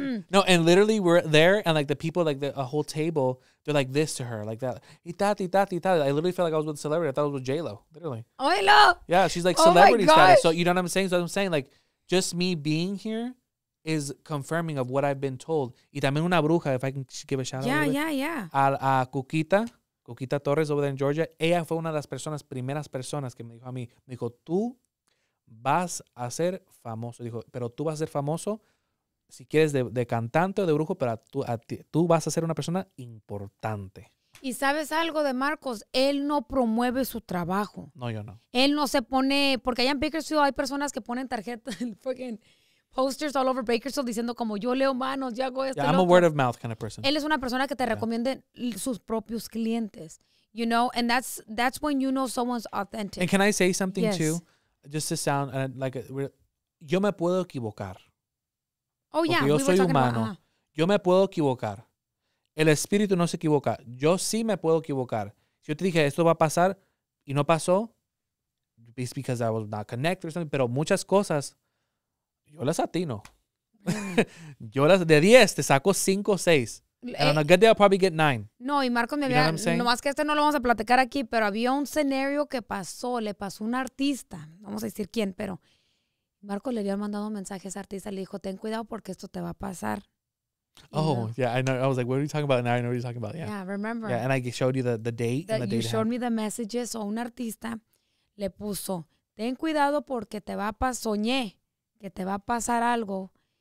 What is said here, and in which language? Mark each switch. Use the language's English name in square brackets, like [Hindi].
[English] No, and literally we're there and like the people, like the, a whole table, they're like this to her, like that. Itati, Itati, Itati. I literally felt like I was with a celebrity. I thought I was with J-Lo, literally. Oh, hello. Yeah, she's like celebrity status. So you know what I'm saying? So I'm saying like just me being here is confirming of what I've been told. [Spanish] Y también una bruja, [English] if I can give a shout out. Yeah, yeah, yeah. A Cuquita, Cuquita Torres over there in Georgia. [Spanish] Ella fue una de las personas, primeras personas que me dijo a mí. Me dijo, tú vas a ser famoso. Dijo, pero tú vas a ser famoso si quieres de cantante o de brujo, pero tú vas a ser una persona importante. Y sabes algo de Marcos, él no promueve su trabajo. No, yo no. Él no se pone, porque allá en Bakersfield hay personas que ponen tarjetas, [English] fucking posters all over Bakersfield [Spanish] diciendo como yo leo manos, yo hago esto. [English] Yeah, I'm a word of mouth kind of person. [Spanish] Él es una persona que te recomiende sus propios clientes, [English] you know, and that's when you know someone's authentic. And can I say something too? Just to sound like [Spanish] yo me puedo equivocar. [English] Oh, yeah. [Spanish] Porque yo soy humano. Yo me puedo equivocar. El espíritu no se equivoca. Yo sí me puedo equivocar. Si yo te dije esto va a pasar y no pasó, [English] it's because I was not connected or something. [Spanish] Pero muchas cosas, yo las atino. Yo las de 10, te saco 5 o 6. [English] And on a good day, I'll probably get 9. [Spanish] No, y Marcos me había, no más que este no lo vamos a platicar aquí, pero había un escenario que pasó, le pasó a un artista. Vamos a decir quién, pero Marco le había mandado mensajes a artista, le dijo, ten cuidado porque esto te va a pasar. [English] Oh, you know? Yeah, I know. I was like, what are you talking about? Now I know what you're talking about. Yeah, yeah, remember. Yeah, and I showed you the date and the date. You showed me the messages. [Spanish] So un artista le puso, ten cuidado porque te va a pasar, soñé que te va a pasar algo.